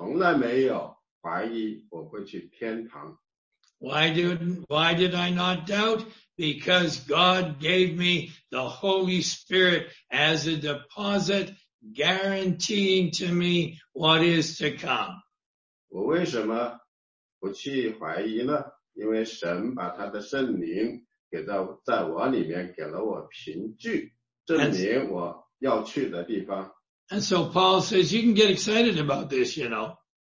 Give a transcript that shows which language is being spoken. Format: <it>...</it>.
<zh>我呢失望过，我也呢糊涂过，但是呢我也不顺服过，但是我从来没有怀疑我会去天堂。</zh> <en>Why did I not doubt? Because God gave me the Holy Spirit as a deposit, guaranteeing to me what is to come.</en> <zh>我为什么不去怀疑呢？因为神把他的圣灵给到在我里面，给了我凭据，证明我要去的地方。</zh> <en>And so Paul says, you can get excited about this, you know.</en>